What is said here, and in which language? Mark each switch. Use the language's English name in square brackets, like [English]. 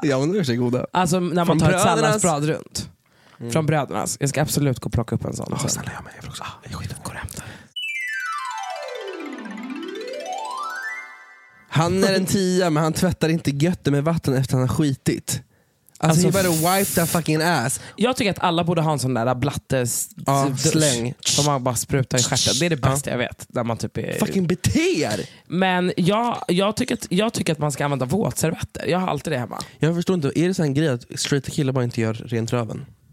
[Swedish] Ja, men de är goda. Alltså när man tar ett salladsbröd runt. Mm. Från brödernas. Jag ska absolut gå och plocka upp en sån. Oh, snälla, jag med. Jag får också. Jag skiter. Går och hämtar. Han är en 10, men han tvättar inte götter med vatten efter han har skitit. Alltså, [English] he better wipe that fucking ass. [Swedish] Jag tycker att alla borde ha en sån där blattes släng som man bara sprutar i stjärten. Det är det bästa jag vet. Där man typ är... Fucking beter. Men jag tycker att man ska använda våtservetter. Jag har alltid det hemma. Jag förstår inte. Är det så en grej att straight killar bara inte gör rent röven?